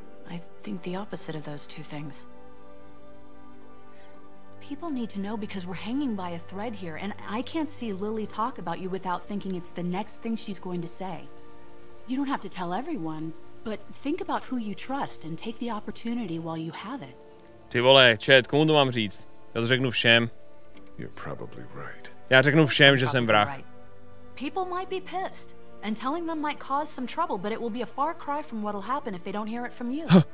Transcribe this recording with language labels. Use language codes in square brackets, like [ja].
[en] I think the opposite of those two things. People need to know because we're hanging by a thread here, and I can't see Lily talk about you without thinking it's the next thing she's going to say. You don't have to tell everyone, but think about who you trust and take the opportunity while you have it. [cs] Ty vole, chat, komu to mám říct? Já to řeknu všem. [en] You're probably right. [cs] Já řeknu všem, že jsem vrah. [en] People might be pissed, and telling them might cause some trouble, but it will be a far cry from what'll happen if they don't hear it from you.